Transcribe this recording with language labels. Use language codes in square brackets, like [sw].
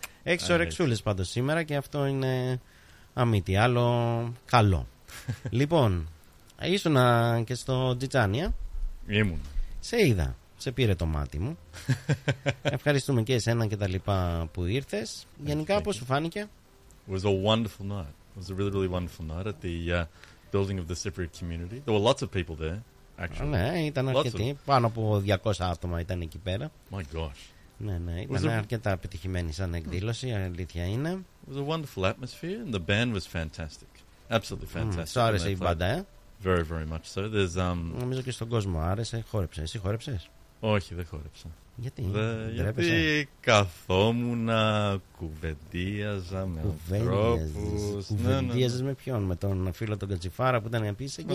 [el] Έξι ωρεξούλες πάντως σήμερα και αυτό είναι αμήτι άλλο καλό. Λοιπόν, ήσουν και στο Τζιτσάνια. Ήμουν. Σε είδα, σε πήρε το μάτι μου. Ευχαριστούμε και εσένα και τα λοιπά που ήρθες. Γενικά πώς σου φάνηκε? [en] It was a wonderful night. It was a really, really wonderful night at the building of the Cypriot community. There were lots of people there, actually. [el] Ναι, ήταν αρκετοί. Πάνω από 200 άτομα ήταν εκεί πέρα. [en] My gosh. [el] Ναι, ναι, ήταν αρκετά πετυχημένη σαν εκδήλωση, αλήθεια είναι. [en] It was a wonderful atmosphere and the band was fantastic. Absolutely fantastic. [el] Σου άρεσε η μπάντα, ε? [en] Very, very much so. There's, [el] νομίζω και στον κόσμο άρεσε, χόρεψε. Εσύ χόρεψες? Όχι, δεν χόρεψα. Γιατί? Γιατί καθόμουν, κουβεντίαζα με ανθρώπους. Κουβεντίαζες, ναι, ναι. Με ποιον? Με τον φίλο τον Κατσιφάρα που ήταν επίσης εκεί?